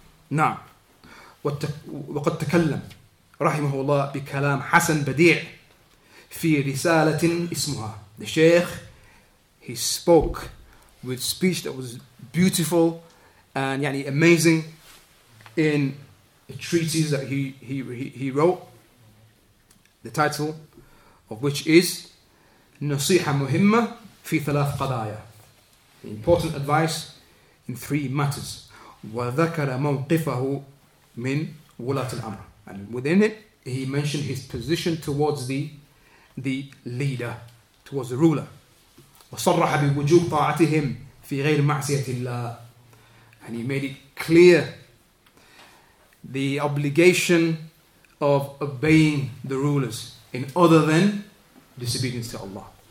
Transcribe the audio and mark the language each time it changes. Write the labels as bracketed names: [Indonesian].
[Arabic] Now, وَقَدْ تَكَلَّمْ رحمه الله بكلام حسن بديع في رسالة اسمها. [English] The Shaykh, he spoke with speech that was beautiful and yani amazing in a treatise that he wrote, the title of which is [Arabic] نصيحة مهمة في ثلاث قضايا, [English] important advice in three matters. [Arabic] وذكر موقفه من ولاة الأمر. [English] And within it, he mentioned his position towards the leader, towards the ruler. [Arabic] وَصَرَّحَ بِوُجُوبِ طَاعَتِهِمْ فِي غَيْرِ مَعْسِيَةِ اللَّهِ. [English] And he made it clear the obligation of obeying the rulers in other than disobedience to Allah.